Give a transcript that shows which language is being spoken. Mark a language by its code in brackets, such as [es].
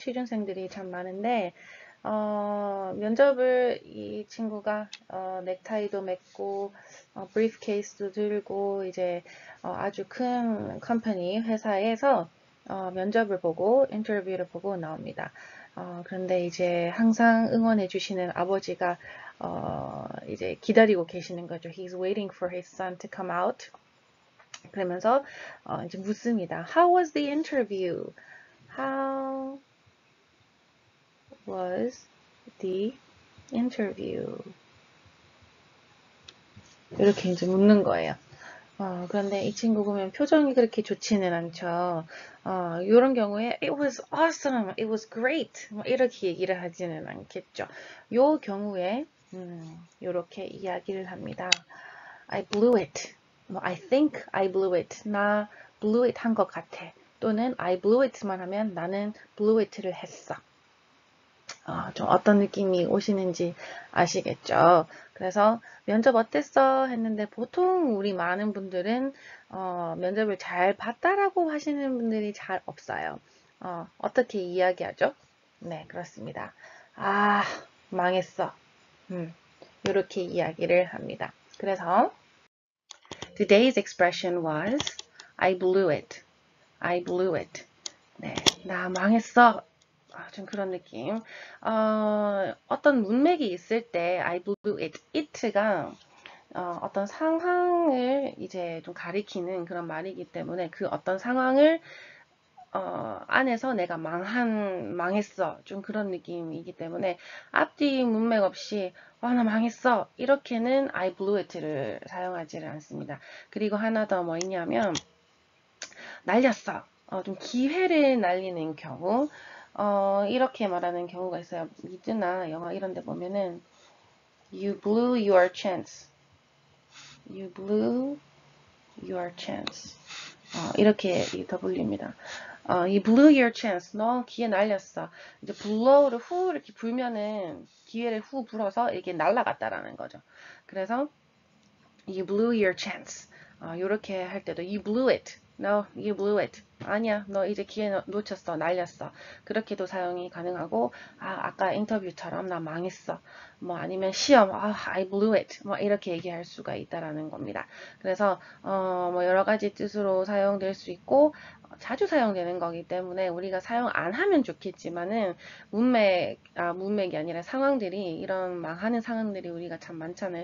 [ko] 취준생들이 참 많은데 면접을 이 친구가 넥타이도 맸고 브리프케이스도 들고 이제 아주 큰 컴퍼니 회사에서 면접을 보고 인터뷰를 보고 나옵니다. 그런데 이제 항상 응원해 주시는 아버지가 이제 기다리고 계시는 거죠. [en] He's waiting for his son to come out. [ko] 그러면서 이제 묻습니다. [en] How was the interview? Was the interview? [ko] 이렇게 이제 묻는 거예요. 그런데 이 친구 보면 표정이 그렇게 좋지는 않죠. [en] 이런 경우에 It was awesome! It was great! [ko] 뭐 이렇게 얘기를 하지는 않겠죠. 요 경우에 이렇게 이야기를 합니다. [en] I blew it. [ko] 뭐, [en] I think I blew it. [ko] 나 blew it 한 것 같아. 또는 [en] I blew it [ko] 만 하면 나는 blew it를 했어. 좀 어떤 느낌이 오시는지 아시겠죠? 그래서 면접 어땠어? 했는데 보통 우리 많은 분들은 면접을 잘 봤다라고 하시는 분들이 잘 없어요. 어떻게 이야기하죠? 네, 그렇습니다. 아, 망했어. 이렇게 이야기를 합니다. 그래서 [en] Today's expression was I blew it. I blew it. [ko] 네, 나 망했어. 좀 그런 느낌. 어떤 문맥이 있을 때 [en] I blew it. [ko] it가 어떤 상황을 이제 좀 가리키는 그런 말이기 때문에 그 어떤 상황을 안에서 내가 망했어. 좀 그런 느낌이기 때문에 앞뒤 문맥 없이 나 망했어. 이렇게는 [en] I blew it [ko] 를 사용하지를 않습니다. 그리고 하나 더 뭐 있냐면 날렸어. 좀 기회를 날리는 경우 이렇게 말하는 경우가 있어요. 미드나 영화 이런 데 보면은 [en] You blew your chance. You blew your chance. [ko] 이렇게 W입니다. [en] You blew your chance. [ko] 너 기회 날렸어. 이제 blow를 후 이렇게 불면은 기회를 후 불어서 이렇게 날아갔다라는 거죠. 그래서 [en] You blew your chance. [ko] 이렇게 할 때도 [en] You blew it. No, you blew it. [ko] 아니야, 너 이제 기회 놓쳤어, 날렸어. 그렇게도 사용이 가능하고, 아까 인터뷰처럼 나 망했어. 뭐 아니면 시험, [en] I blew it. [ko] 뭐 이렇게 얘기할 수가 있다라는 겁니다. 그래서 뭐 여러 가지 뜻으로 사용될 수 있고 자주 사용되는 거기 때문에 우리가 사용 안 하면 좋겠지만은 문맥이 아니라 상황들이 이런 망하는 상황들이 우리가 참 많잖아요.